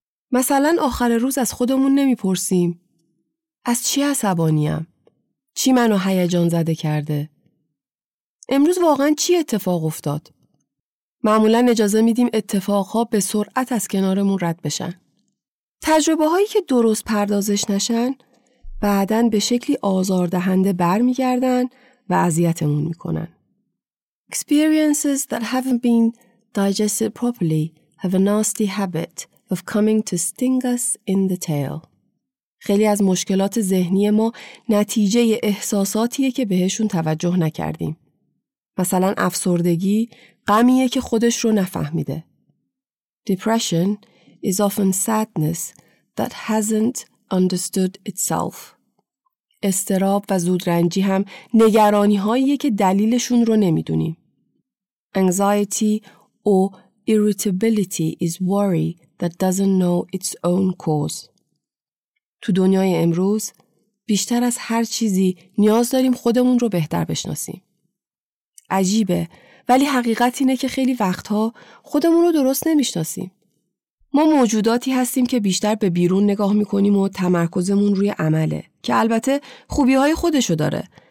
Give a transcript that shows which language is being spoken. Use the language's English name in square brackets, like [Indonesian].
[Persian] مثلا آخر روز از خودمون نمیپرسیم. از چی عصبانیم؟ چی منو هیجان زده کرده؟ امروز واقعا چی اتفاق افتاد؟ معمولا اجازه میدیم اتفاقها به سرعت از کنارمون رد بشن. تجربه هایی که درست پردازش نشن، بعدن به شکلی آزاردهنده برمیگردن و اذیتمون میکنن. [English] Experiences that haven't been digested properly have a nasty habit of coming to sting us in the tail. [Persian] خیلی از مشکلات ذهنی ما نتیجه احساساتیه که بهشون توجه نکردیم. مثلا افسردگی غمیه که خودش رو نفهمیده. [English] Depression is often sadness that hasn't understood itself. [Persian] استراب و زودرنجی هم نگرانی هایی که دلیلشون رو نمیدونیم. [English] Anxiety or irritability is worry that doesn't know its own cause. [Persian] تو دنیای امروز بیشتر از هر چیزی نیاز داریم خودمون رو بهتر بشناسیم. عجیبه ولی حقیقت اینه که خیلی وقتها خودمون رو درست نمیشناسیم. ما موجوداتی هستیم که بیشتر به بیرون نگاه میکنیم و تمرکزمون روی عمله که البته خوبیهای خودشو داره.